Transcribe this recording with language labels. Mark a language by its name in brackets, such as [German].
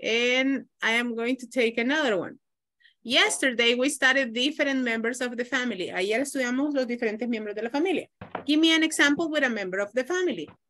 [English] And I am going to take another one. Yesterday, we studied different members of the family. [Spanish] Ayer estudiamos los diferentes miembros de la familia. [English] Give me an example with a member of the family.